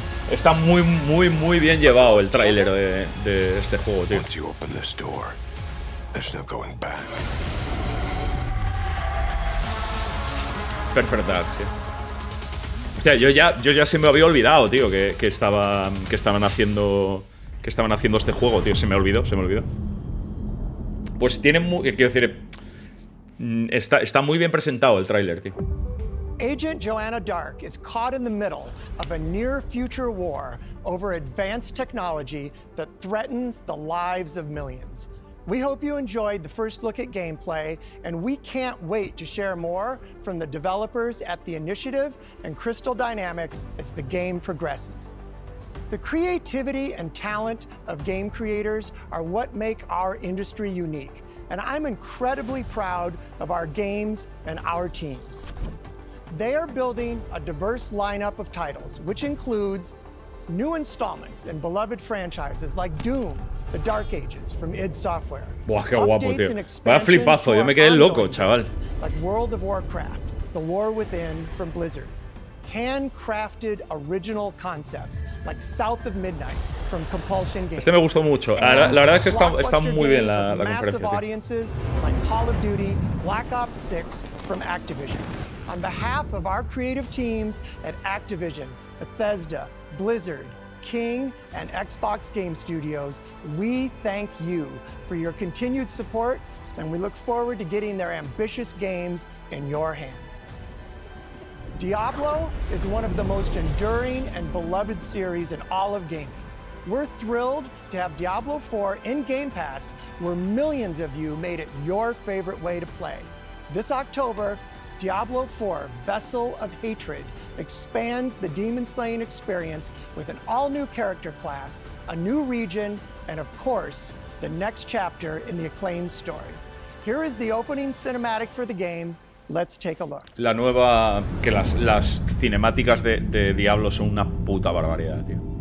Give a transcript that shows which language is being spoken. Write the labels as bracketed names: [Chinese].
[Spanish] Está muy, muy, muy bien llevado el tráiler de este juego, tío. [English] Once you open this door, there's no going back. [Spanish] Perfect Dark, sí. O sea, yo ya se me había olvidado, tío, que estaban haciendo este juego, tío. Se me olvidó. Pues tiene muy, quiero decir, está muy bien presentado el tráiler, tío. [English] Agent Joanna Dark is caught in the middle of a near future war over advanced technology that threatens the lives of millions. We hope you enjoyed the first look at gameplay, and we can't wait to share more from the developers at The Initiative and Crystal Dynamics as the game progresses. The creativity and talent of game creators are what make our industry unique, and I'm incredibly proud of our games and our teams. They are building a diverse lineup of titles, which includes new installments in beloved franchises like Doom, The Dark Ages from id Software. [Spanish] Buah, qué guapo, tío. Vaya flipazo, yo me quedé loco, chaval. [English] Like World of Warcraft, The War Within from Blizzard. Handcrafted original concepts like South of Midnight from Compulsion Games. [Spanish] Este me gustó mucho. La verdad es que está muy bien la conferencia. [English] Massive audiences like Call of Duty, Black Ops 6 from Activision. On behalf of our creative teams at Activision, Bethesda, Blizzard, King and Xbox Game Studios, we thank you for your continued support, and we look forward to getting their ambitious games in your hands. Diablo is one of the most enduring and beloved series in all of gaming. We're thrilled to have Diablo 4 in Game Pass, where millions of you made it your favorite way to play. This October, Diablo 4 Vessel of Hatred expands the demon slaying experience with an all new character class, a new region, and of course, the next chapter in the acclaimed story. Here is the opening cinematic for the game. Let's take a look. [Spanish] La nueva, que las cinemáticas de Diablo son una puta barbaridad, tío.